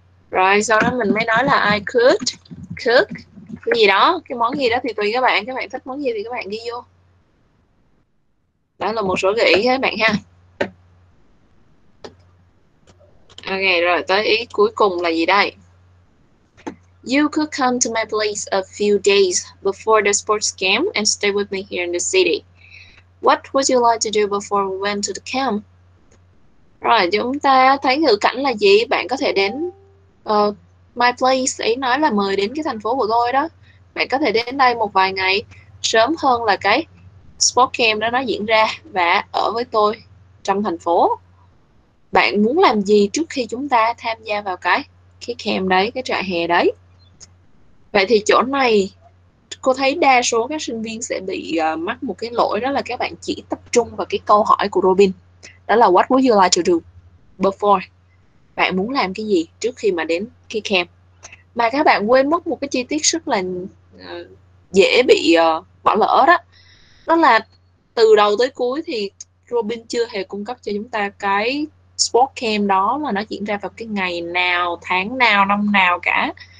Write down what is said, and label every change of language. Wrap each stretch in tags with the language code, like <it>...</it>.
<vi>Rồi sau đó mình mới nói là</vi> <en>I could cook</en> <vi>cái gì đó, cái món gì đó thì tùy các bạn thích món gì thì các bạn ghi vô. Đó là một số gợi ý các bạn ha. Ok rồi, tới ý cuối cùng là gì đây?</vi> <en>You could come to my place a few days before the sports camp and stay with me here in the city. What would you like to do before we went to the camp?</en> <vi>Rồi, chúng ta thấy ngữ cảnh là gì? Bạn có thể đến</vi> <en>my place,</en> <vi>ý nói là mời đến cái thành phố của tôi đó. Bạn có thể đến đây một vài ngày sớm hơn là cái sport camp đó nó diễn ra và ở với tôi trong thành phố. Bạn muốn làm gì trước khi chúng ta tham gia vào cái camp đấy, cái trại hè đấy? Vậy thì chỗ này cô thấy đa số các sinh viên sẽ bị mắc một cái lỗi, đó là các bạn chỉ tập trung vào cái câu hỏi của Robin. Đó là</vi> <en>what would you like to do before?</en> <vi>Bạn muốn làm cái gì trước khi mà đến cái camp? Mà các bạn quên mất một cái chi tiết rất là dễ bị bỏ lỡ đó. Đó là từ đầu tới cuối thì Robin chưa hề cung cấp cho chúng ta cái sport camp đó là nó diễn ra vào cái ngày nào, tháng nào, năm nào cả.</vi>